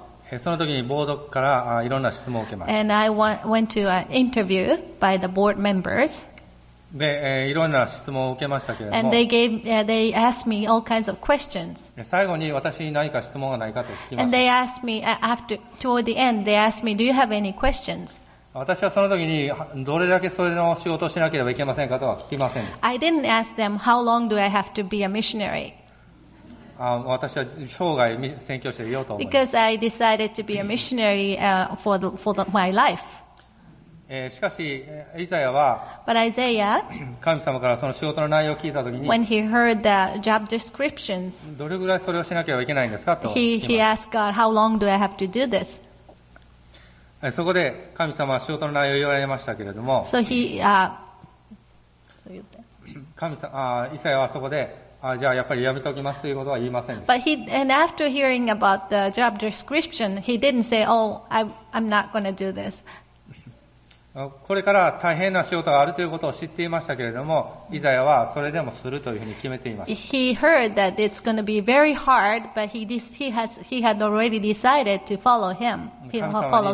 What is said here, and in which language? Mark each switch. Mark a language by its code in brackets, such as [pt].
[en] And I went to an interview by the board members. [ja] で、いろんな質問を受けましたけれども、 [en] And they asked me all kinds of questions. [ja] 最後に私に何か質問がないかと聞きました。 [en] And they asked me after toward the end, they asked me, do you have any questions? [ja] 私はその時にどれだけそれの仕事をしなければいけませんかとは聞きませんでした。 [en] I didn't ask them how long do I have to be a missionary. [ja] 私は生涯宣教師でいようと思います。 [en] Because I decided to be a missionary for my life. [ja] しかしイザヤは神様からその仕事の内容を聞いたときに [en] When he heard the job descriptions, [ja] どれぐらいそれをしなければいけないんですかと [en] he asked God, How long do I have to do this? [ja] そこで神様は仕事の内容を言われましたけれども [en] so he, [ja] 神様イザヤはそこでじゃあやっぱりやめておきますということは言いませんでした。 [en] But he, and after hearing about the job description, he didn't say, Oh, I'm not going to do this. [ja] これから大変な仕事があるということを知っていましたけれども、イザヤはそれでもするというふうに決めています。 [en] He heard that it's going to be very hard, but he had already decided to follow him, follow God.